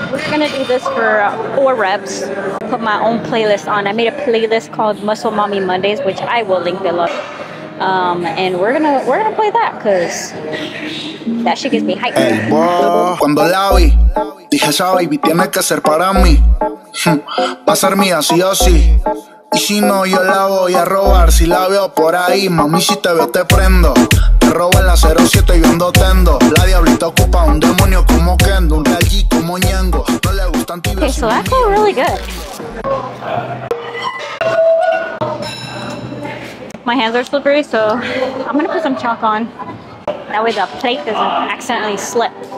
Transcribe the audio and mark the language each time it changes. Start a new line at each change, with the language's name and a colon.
English: Gonna do this for 4 reps. Put my own playlist on. I made a playlist called Muscle Mommy Mondays, which I will link below. And we're gonna play that because that shit gives me hype.
Spanish: Hey, cuando la vi, dije esa baby tiene que ser para mí. Pasar mía sí o sí. Y si no, yo la voy a robar. Si la veo por ahí, mami, si te veo, te prendo. Te robo en la 07 y ando tendo. La diablita ocupa un demonio como Kendo. Un real G como Ñengo. No le gustan tibios.
English: Okay, so that felt really good. My hands are slippery, so I'm gonna put some chalk on. That way the plate doesn't accidentally slip.